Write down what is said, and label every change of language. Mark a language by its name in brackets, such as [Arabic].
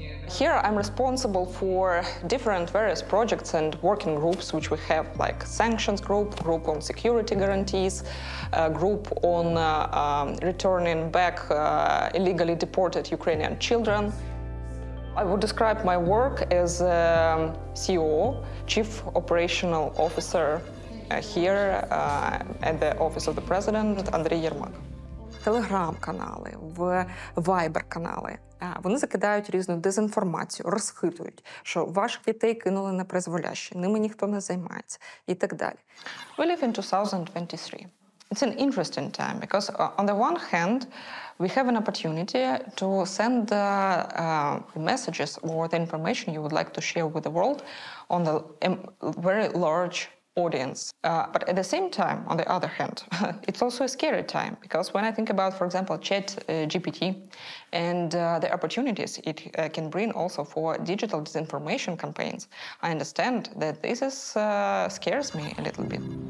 [English] Here I'm responsible for different various projects and working groups which we have, like sanctions group, group on security guarantees, group on returning back illegally deported Ukrainian children. I would describe my work as CEO, Chief Operational Officer here at the Office of the President, Андрій Єрмак. [Ukrainian] Телеграм-канали, вайбер-канали, вони закидають різну дезінформацію, розхитують, що ваших дітей кинули на призволяще, ними ніхто не займається і так далі. [English] We live in 2023. It's an interesting time because on the one hand, we have an opportunity to send the messages or the information you would like to share with the world on the very large audience. But at the same time, on the other hand, it's also a scary time, because when I think about, for example, ChatGPT and the opportunities it can bring also for digital disinformation campaigns, I understand that this is scares me a little bit.